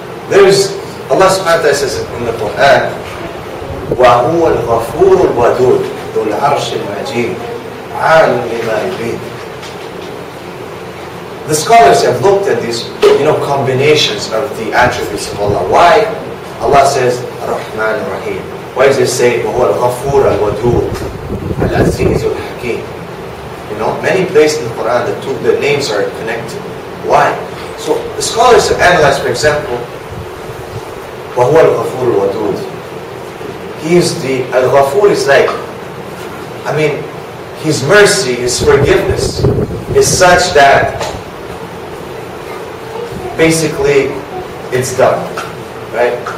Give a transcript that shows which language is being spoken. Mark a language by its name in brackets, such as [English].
[English] There's Allah subhanahu wa ta'ala says in the Quran, [Arabic] وَهُوَ الْغَفُورُ الْوَدُودُ ذُو الْعَرْشِ الْمَجِيدُ عَالٌ لِمَا يُرِيدُ. [English] The scholars have looked at these, you know, combinations of the attributes of Allah. Why Allah says Rahman Rahim? Why does it say [Arabic] وَهُوَ الْغَفُورُ الْوَدُودُ الْعَزِيزُ الْحَكِيمُ? [English] You know, many places in the Quran the names are connected. Why? So the scholars have analyzed, for example, [Arabic] وَهُوَ الْغَفُورُ الْوَدُودِ. [English] He is the Al-Ghafoor is like, I mean, His mercy, His forgiveness is such that basically it's done, right?